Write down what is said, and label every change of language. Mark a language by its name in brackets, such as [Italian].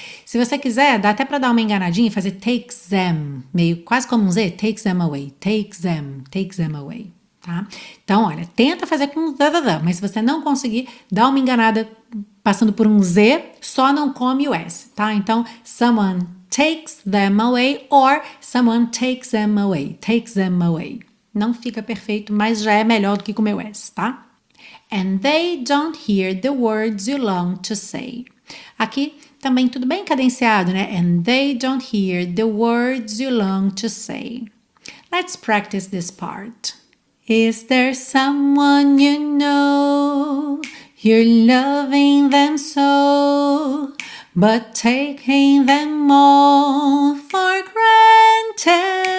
[Portuguese] Se você quiser, dá até pra dar uma enganadinha e fazer takes them, meio quase como um Z, [English] takes them away, takes them away, [Portuguese] tá? Então, olha, tenta fazer com da, mas se você não conseguir, dá uma enganada passando por um Z, só não come o S, tá? [English] Então, someone takes them away or someone takes them away, takes them away. [Portuguese] Não fica perfeito, mas já é melhor do que com o meu S, tá? [English] And they don't hear the words you long to say. [Portuguese] Aqui também tudo bem cadenciado, né? [English] And they don't hear the words you long to say. Let's practice this part. Is there someone you know? You're loving them so, but taking them all for granted.